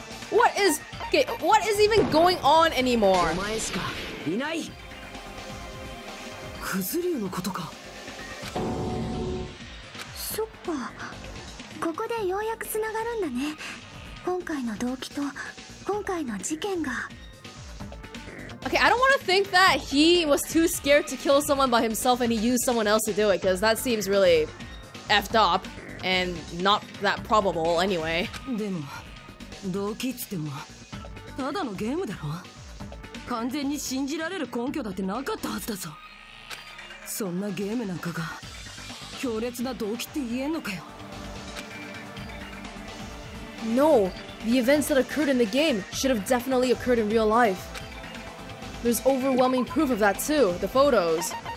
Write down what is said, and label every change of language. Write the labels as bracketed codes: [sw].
[en] What is、okay. What is even going on anymore? [ja] お前しかいない。クズリュウのことか。そっか、ここでようやくつながるんだね、今回の動機と今回の事件が。 [en] Okay, I don't want to think that he was too scared to kill someone by himself and he used someone else to do it, because that seems really effed up and not that probable anyway. [ja] でも、動機つっても、ただのゲームだろ。完全に信じられる根拠だってなかったはずだぞ。そんなゲームなんかが強烈な動機って言えんのかよ。 [en] No, the events that occurred in the game should have definitely occurred in real life. There's overwhelming proof of that too, the photos.